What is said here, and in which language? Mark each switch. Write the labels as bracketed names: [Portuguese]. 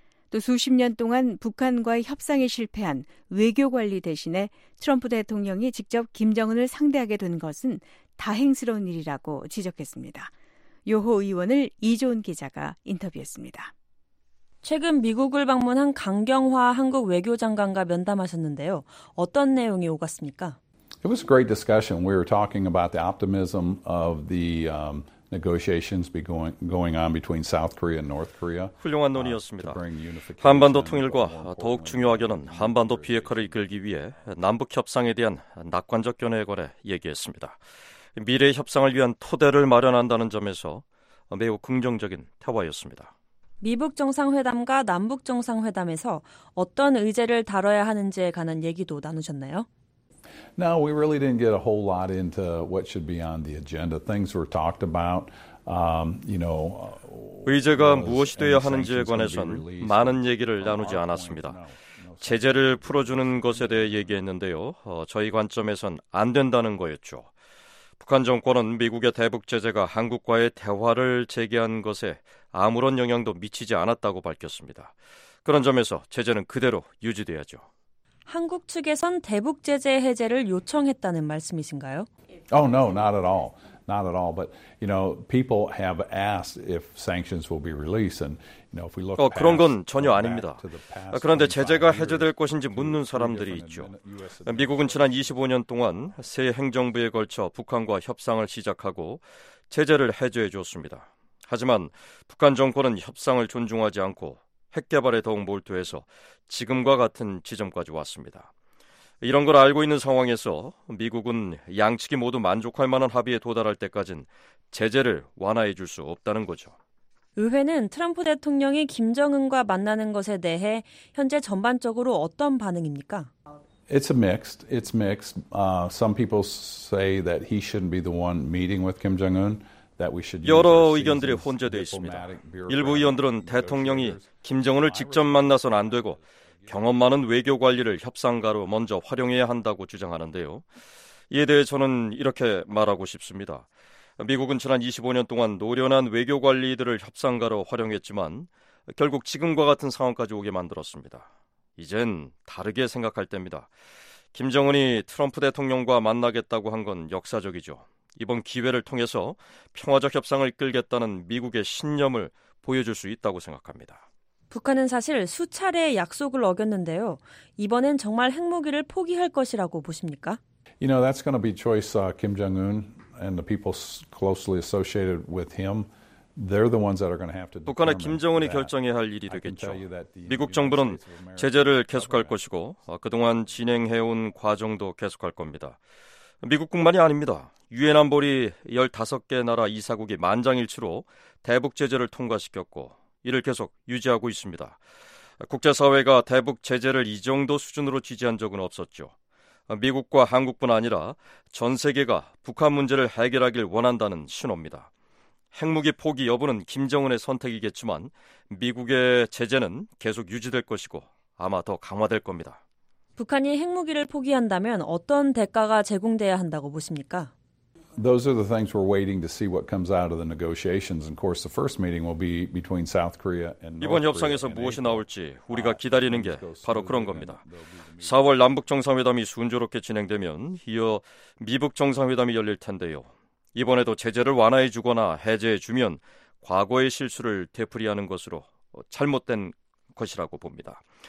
[Korean] 또 수십 년 동안 북한과의 협상에 실패한 외교관리 대신에 트럼프 대통령이 직접 김정은을 상대하게 된 것은 다행스러운 일이라고 지적했습니다. 요호 의원을 이조은 기자가 인터뷰했습니다. 최근 미국을 방문한 강경화 한국 외교장관과 면담하셨는데요. 어떤 내용이 오갔습니까? [English] It was a great discussion. We were talking about the optimism of the negotiations be going on between South Korea and North Korea. [Korean] 훌륭한 논의였습니다. 한반도 통일과 더욱 중요하게는 한반도 비핵화를 이끌기 위해 남북 협상에 대한 낙관적 견해에 관해 얘기했습니다. 미래 협상을 위한 토대를 마련한다는 점에서 매우 긍정적인 대화였습니다. 미북 정상회담과 남북 정상회담에서 어떤 의제를 다뤄야 하는지에 관한 얘기도 나누셨나요? [English] No, we really didn't get a whole lot into what should be on the agenda. Things were talked about, you know. [Korean] 의제가 무엇이 되어야 하는지에 관해선 많은 얘기를 나누지 않았습니다. 제재를 풀어주는 것에 대해 얘기했는데요. 저희 관점에선 안 된다는 거였죠. 북한 정권은 미국의 대북 제재가 한국과의 대화를 재개한 것에 아무런 영향도 미치지 않았다고 밝혔습니다. 그런 점에서 제재는 그대로 유지돼야죠. 한국 측에선 대북 제재 해제를 요청했다는 말씀이신가요? [English] Oh no, not at all. Not at all. But you know, people have asked if sanctions will be released and you know, if we look [Korean] 그런 건 전혀 아닙니다. 그런데 제재가 해제될 것인지 묻는 사람들이 있죠. 미국은 지난 25년 동안 새 행정부에 걸쳐 북한과 협상을 시작하고 제재를 해제해 줬습니다. 하지만 북한 정권은 협상을 존중하지 않고 핵개발에 더욱 몰두해서 지금과 같은 지점까지 왔습니다. 이런 걸 알고 있는 상황에서 미국은 양측이 모두 만족할 만한 합의에 도달할 때까지는 제재를 완화해 줄 수 없다는 거죠. 의회는 트럼프 대통령이 김정은과 만나는 것에 대해 현재 전반적으로 어떤 반응입니까? [English] It's mixed. Some people say that he shouldn't be the one meeting with Kim Jong-un. [Korean] 여러 의견들이 혼재되어 있습니다. 일부 의원들은 대통령이 김정은을 직접 만나선 안 되고 경험 많은 외교 관리를 협상가로 먼저 활용해야 한다고 주장하는데요. 이에 대해 저는 이렇게 말하고 싶습니다. 미국은 지난 25년 동안 노련한 외교 관리들을 협상가로 활용했지만 결국 지금과 같은 상황까지 오게 만들었습니다. 이젠 다르게 생각할 때입니다. 김정은이 트럼프 대통령과 만나겠다고 한 건 역사적이죠. 이번 기회를 통해서 평화적 협상을 이끌겠다는 미국의 신념을 보여줄 수 있다고 생각합니다. 북한은 사실 수차례 약속을 어겼는데요. 이번엔 정말 핵무기를 포기할 것이라고 보십니까? [English] You know, that's going to be choice Kim Jong-un and the people closely associated with him. They're the ones that are going to have to. [Korean] 북한의 김정은이 결정해야 할 일이 되겠죠. 미국 정부는 제재를 계속할 것이고 그동안 진행해온 과정도 계속할 겁니다. 미국뿐만이 아닙니다. 유엔 안보리 15개 나라 이사국이 만장일치로 대북 제재를 통과시켰고 이를 계속 유지하고 있습니다. 국제사회가 대북 제재를 이 정도 수준으로 지지한 적은 없었죠. 미국과 한국뿐 아니라 전 세계가 북한 문제를 해결하길 원한다는 신호입니다. 핵무기 포기 여부는 김정은의 선택이겠지만 미국의 제재는 계속 유지될 것이고 아마 더 강화될 겁니다. 북한이 핵무기를 포기한다면 어떤 대가가 제공돼야 한다고 보십니까? [English] Those are the things we're waiting to see what comes out of the negotiations. Of course, the first meeting will be between South Korea and North Korea. [Korean] 이번 협상에서 무엇이 나올지 우리가 기다리는 게 바로 그런 겁니다. 4월 남북 정상회담이 순조롭게 진행되면 이어 미북 정상회담이 열릴 텐데요. 이번에도 제재를 완화해 주거나 해제해 주면 과거의 실수를 되풀이하는 것으로 잘못된 것이라고 봅니다.